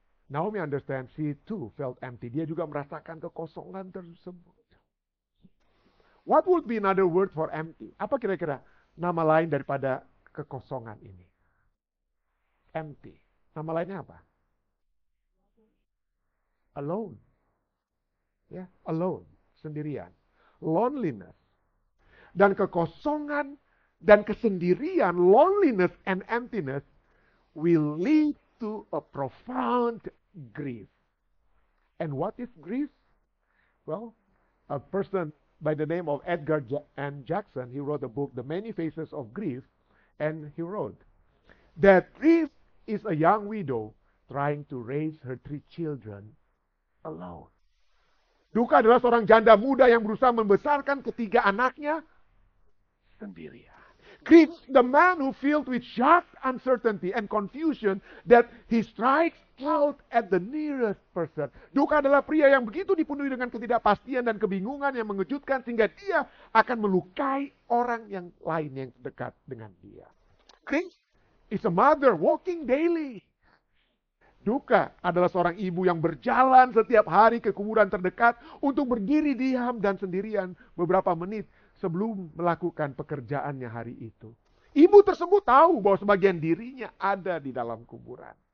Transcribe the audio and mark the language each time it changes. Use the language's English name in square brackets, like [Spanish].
[English] Naomi understand, she too felt empty. [Indonesian] Dia juga merasakan kekosongan tersebut. [English] What would be another word for empty? [Indonesian] Apa kira-kira nama lain daripada kekosongan ini? Empty. Nama lainnya apa? [English] Alone. Yeah, alone. Sendirian. Loneliness. [Indonesian] Dan kekosongan dan kesendirian, [English] loneliness and emptiness, will lead to a profound grief. And what is grief? Well, a person by the name of Edgar N. Jackson, he wrote a book, The Many Faces of Grief, and he wrote that grief is a young widow trying to raise her 3 children alone. [Indonesian] Duka adalah seorang janda muda yang berusaha membesarkan 3 anaknya sendirian. [English] Grief, the man who filled with shock, uncertainty, and confusion that he strikes out at the nearest person. [Indonesian] Duka adalah pria yang begitu dipenuhi dengan ketidakpastian dan kebingungan yang mengejutkan sehingga dia akan melukai orang yang lain yang dekat dengan dia. [English] Grief is a mother walking daily. [Indonesian] Duka adalah seorang ibu yang berjalan setiap hari ke kuburan terdekat untuk berdiri diam dan sendirian beberapa menit sebelum melakukan pekerjaannya hari itu. Ibu tersebut tahu bahwa sebagian dirinya ada di dalam kuburan.